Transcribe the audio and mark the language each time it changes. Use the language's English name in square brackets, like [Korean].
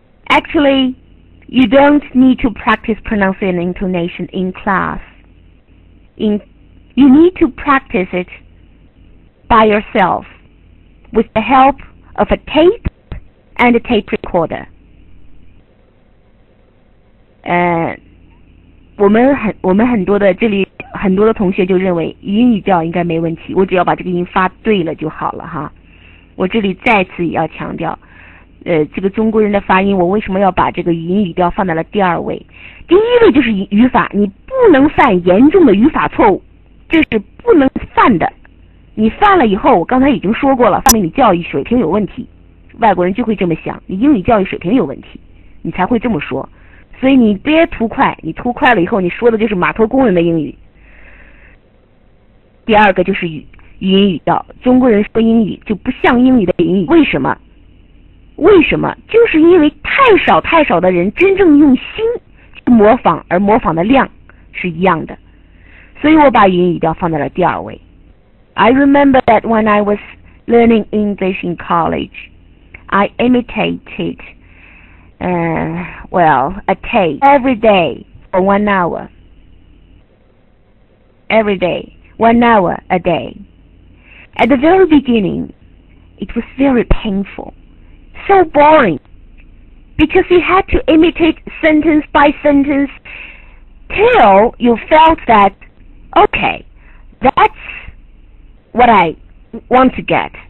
[English] Actually, you don't need to practice pronunciation and intonation in class. You need to practice it by yourself with the help of a tape and a tape recorder. [Chinese] 我们很多的这里很多的同学就认为英语调应该没问题，我只要把这个音发对了就好了哈。我这里再次也要强调，这个中国人的发音，我为什么要把这个英语调放在了第二位？第一位就是语法，你不能犯严重的语法错误，这是不能犯的。你犯了以后，我刚才已经说过了，说明你教育水平有问题，外国人就会这么想，你英语教育水平有问题，你才会这么说。所以你别图快，你图快了以后，你说的就是码头工人的英语。第二个就是语音语调，中国人说英语就不像英语的英语，为什么？就是因为太少太少的人真正用心模仿，而模仿的量是一样的。所以我把英语调放在了第二位。 [English] I remember that when I was learning English in college, I imitated, a tape every day for 1 hour. Every day, 1 hour a day. At the very beginning, it was very painful, so boring, because you had to imitate sentence by sentence till you felt that, okay, that's what I want to get.